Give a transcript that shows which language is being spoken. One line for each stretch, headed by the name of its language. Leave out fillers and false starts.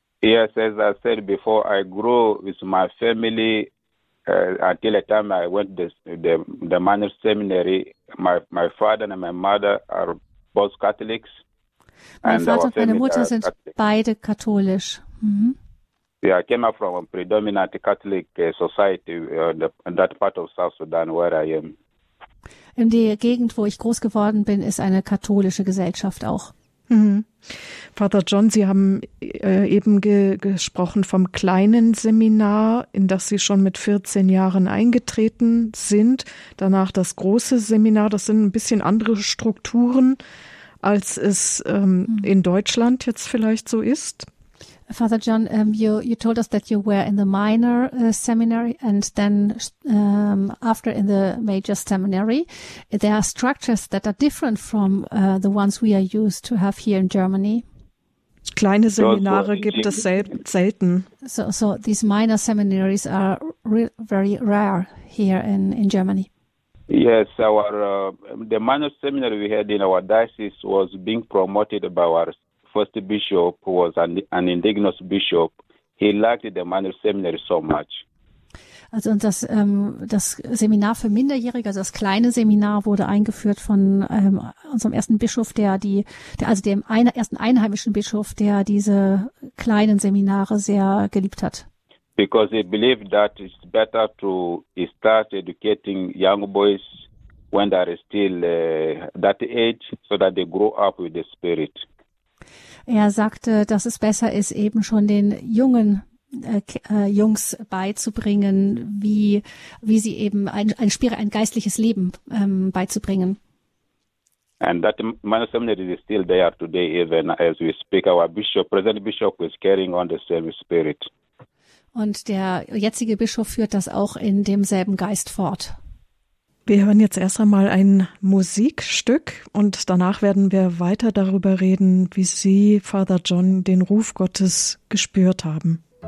English: Yes, as I said before, I grew with my family until the time I went to the minor seminary. My father and my mother are both Catholics.
German: Mein Vater und meine Mutter sind beide katholisch. Mm-hmm.
English: Yeah, I came up from a predominant Catholic society in that part of South Sudan where I am.
German: In der Gegend, wo ich groß geworden bin, ist eine katholische Gesellschaft auch. Mhm. Vater John, Sie haben eben gesprochen vom kleinen Seminar, in das Sie schon mit 14 Jahren eingetreten sind. Danach das große Seminar. Das sind ein bisschen andere Strukturen, als es in Deutschland jetzt vielleicht so ist.
English: Vater John, you told us that you were in the minor seminary and then after in the major seminary. There are structures that are different from the ones we are used to have here in Germany.
German: Kleine Seminare gibt es selten.
English: So these minor seminaries are very rare here in Germany. Yes, the minor seminary we had in our diocese was being promoted by our first bishop, who was an indigenous bishop. He liked the minor seminary so much.
German: Also das Seminar für Minderjährige, also das kleine Seminar, wurde eingeführt von unserem ersten Bischof, ersten einheimischen Bischof, der diese kleinen Seminare sehr geliebt hat.
English: Because he believed that it's better to start educating young boys when they are still that age, so that they grow up with the spirit.
German: Er sagte, dass es besser ist, eben schon den jungen Jungs beizubringen, wie sie eben ein geistliches Leben beizubringen.
English: And that minor seminary is still there today, even as we speak. Our bishop, present bishop, is carrying on the same spirit.
German: Und der jetzige Bischof führt das auch in demselben Geist fort. Wir hören jetzt erst einmal ein Musikstück und danach werden wir weiter darüber reden, wie Sie, Father John, den Ruf Gottes gespürt haben.